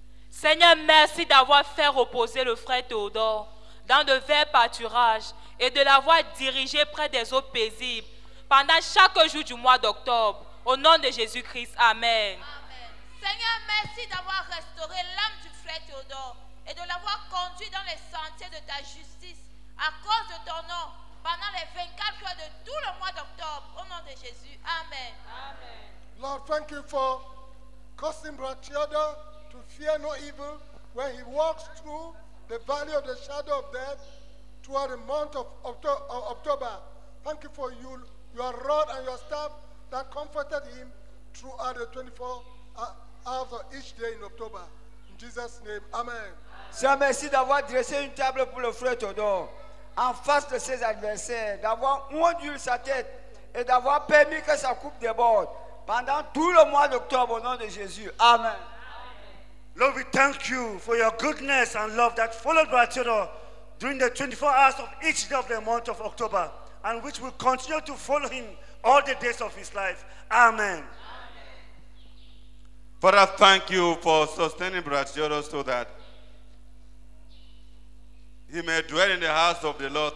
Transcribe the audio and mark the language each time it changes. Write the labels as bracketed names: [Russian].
[French] Seigneur, merci d'avoir fait reposer le frère Théodore dans de verts pâturages et de l'avoir dirigé près des eaux paisibles pendant chaque jour du mois d'octobre. Au nom de Jésus-Christ, amen. Amen. Seigneur, merci d'avoir restauré l'âme du frère Théodore et de l'avoir conduit dans les sentiers de ta justice à cause de ton nom pendant les 24 heures de tout le mois d'octobre. Au nom de Jésus, amen. Amen. [English] Lord, thank you for causing Brother Theodore to fear no evil when he walks through the valley of the shadow of death toward the month of October. Thank you for your rod and your staff that comforted him throughout the 24 hours of each day in October. In Jesus' name, amen. [French] Seigneur, merci d'avoir dressé une table pour le frère Théodore en face de ses adversaires, d'avoir ondulé sa tête et d'avoir permis que sa coupe déborde pendant tout le mois d'octobre au nom de Jésus. Amen. [English] Lord, we thank you for your goodness and love that followed Brother Theodore during the 24 hours of each day of the month of October, and which will continue to follow him all the days of his life. Amen. Amen. Father, thank you for sustaining Brother Theodore so that he may dwell in the house of the Lord.